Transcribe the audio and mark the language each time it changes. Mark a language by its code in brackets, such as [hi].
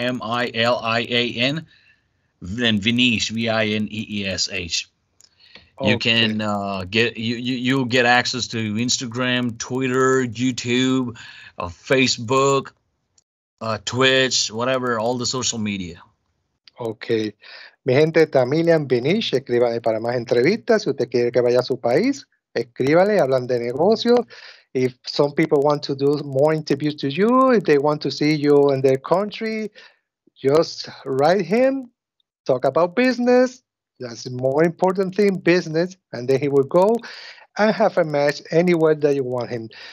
[en] T-A-M-I-L-I-A-N. Then Vineesh. V-I-N-E-E-S-H. You can you'll get access to Instagram, Twitter, YouTube, Facebook. Twitch, whatever, all the social media. Okay. [es] Mi gente, Tamilian Vineesh, escríbale para más entrevistas. Si usted quiere que vaya a su país, escríbale, hablan de negocios. [en] If some people want to do more interviews to you, if they want to see you in their country, just write him, talk about business. That's the more important thing, business. And then he will go and have a match anywhere that you want him.